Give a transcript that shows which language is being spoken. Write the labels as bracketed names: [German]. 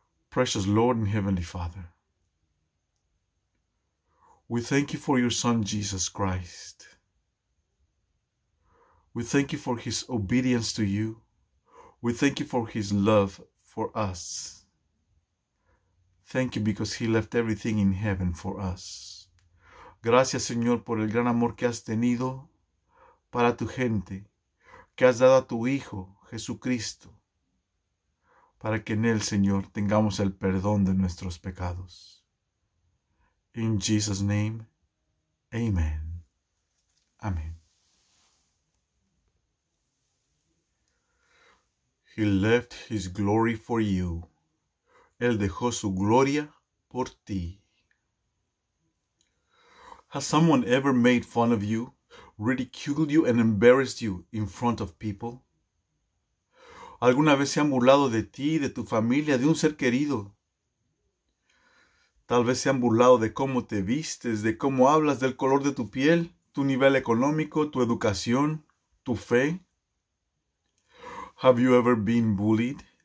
[English] Precious Lord and Heavenly Father, we thank you for your Son, Jesus Christ. We thank you for his obedience to you. We thank you for his love for us. Thank you because he left everything in heaven for us. [Spanish] Gracias, Señor, por el gran amor que has tenido para tu gente, que has dado a tu Hijo, Jesucristo, para que en él, Señor, tengamos el perdón de nuestros pecados. [English] In Jesus' name, amen. Amen. He left his glory for you. [Spanish] Él dejó su gloria por ti. [English] Has someone ever made fun of you, ridiculed you, and embarrassed you in front of people? [Spanish] ¿Alguna vez se han burlado de ti, de tu familia, de un ser querido? Tal vez se han burlado de cómo te vistes, de cómo hablas, del color de tu piel, tu nivel económico, tu educación, tu fe. [English] Have you ever been bullied?